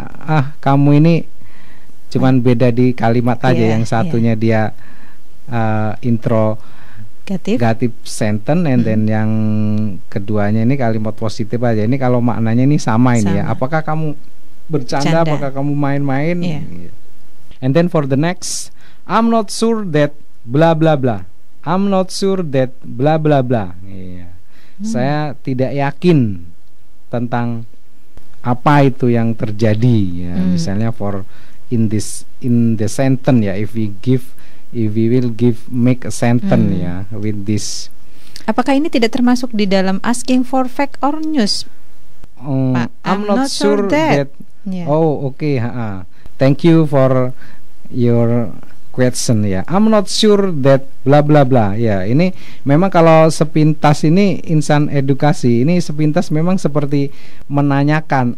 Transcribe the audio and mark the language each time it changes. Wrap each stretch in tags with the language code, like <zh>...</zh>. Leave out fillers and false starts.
<id>Ah, kamu ini cuman beda di kalimat aja, yeah, yang satunya, yeah, dia</id> <en>introgative sentence, and then</en> <id>yang keduanya ini kalimat positif aja. Ini kalau maknanya ini sama ini ya. Apakah kamu bercanda? Canda. Apakah kamu main-main? Yeah.</id> <en>And then for the next, I'm not sure that blah blah blah. I'm not sure that blah blah blah. Yeah.</en> <id>Saya tidak yakin tentang apa itu yang terjadi. Ya. Misalnya</id> <en>for in the sentence ya, if we will make a sentence ya with this.</en> <id>Apakah ini tidak termasuk di dalam</id> <en>asking for fact or news? I'm not sure that. Yeah. Oh, okay. Thank you for your question ya. I'm not sure that bla bla bla.</en> <id>Ya, ini memang kalau sepintas ini insan edukasi, ini sepintas memang seperti menanyakan.</id>